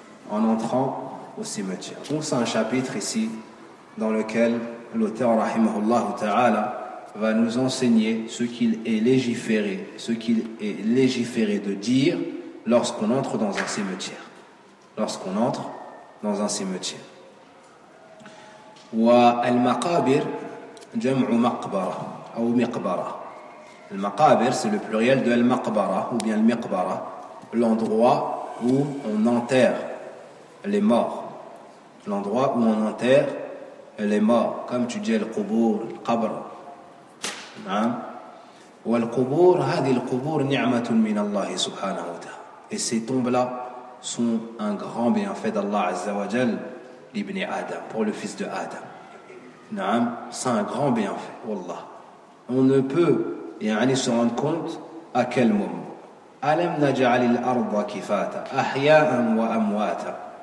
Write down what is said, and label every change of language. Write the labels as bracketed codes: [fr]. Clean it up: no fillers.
[fr] En entrant au cimetière. Donc c'est un chapitre ici dans lequel l'auteur rahimahullah ta'ala va nous enseigner ce qu'il est légiféré de dire lorsqu'on entre dans un cimetière. Lorsqu'on entre dans un cimetière. [ar] Wa al-maqabir جمع مقبرة أو مقبرة. [fr] المقابر c'est le pluriel de المقبرة ou bien المقبرة, l'endroit où on enterre les morts. L'endroit où on enterre les morts. Comme tu dis القبور, القبر. [ar] نعم. والقبور هذه القبور نعمة من الله سبحانه وتعالى. [fr] Et ces tombes-là sont un grand bienfait d'Allah [ar] عز وجل لابن آدم, [fr] pour le fils de Adam. Naam, c'est un grand bienfait, wallah. On ne peut yani se rendre compte à quel moment. [ar] Alam naj'alil arda kifata ahya'an wa amwata.